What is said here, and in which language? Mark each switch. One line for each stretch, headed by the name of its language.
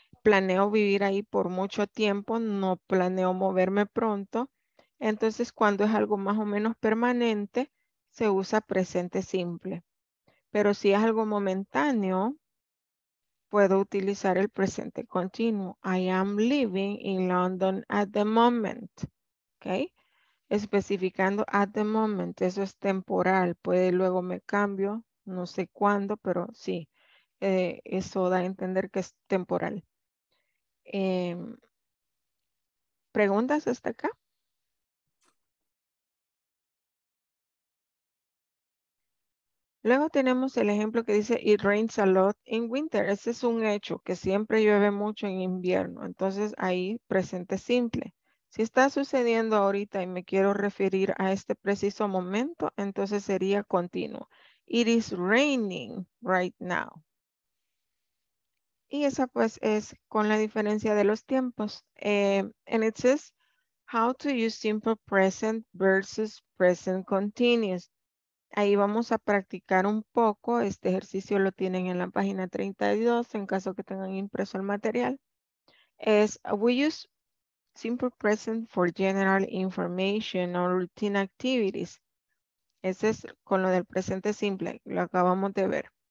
Spanish: Planeo vivir ahí por mucho tiempo, no planeo moverme pronto. Entonces, cuando es algo más o menos permanente, se usa presente simple. Pero si es algo momentáneo, puedo utilizar el presente continuo.
English: I am living in London at the moment.
Spanish: Okay? Especificando
English: at the moment.
Spanish: Eso es temporal. Puede luego me cambio. No sé cuándo, pero sí. Eso da a entender que es temporal. ¿Preguntas hasta acá? ¿Listo? Luego tenemos el ejemplo que dice,
English: it rains a lot in winter.
Spanish: Ese es un hecho, que siempre llueve mucho en invierno. Entonces, ahí presente simple. Si está sucediendo ahorita y me quiero referir a este preciso momento, entonces sería continuo.
English: It is raining right now.
Spanish: Y esa pues es con la diferencia de los tiempos.
English: And it says, how to use simple present versus present continuous.
Spanish: Ahí vamos a practicar un poco. Este ejercicio lo tienen en la página 32 en caso que tengan impreso el material.
English: Es, we use simple present for general information or routine activities.
Spanish: Ese es con lo del presente simple, lo acabamos de ver.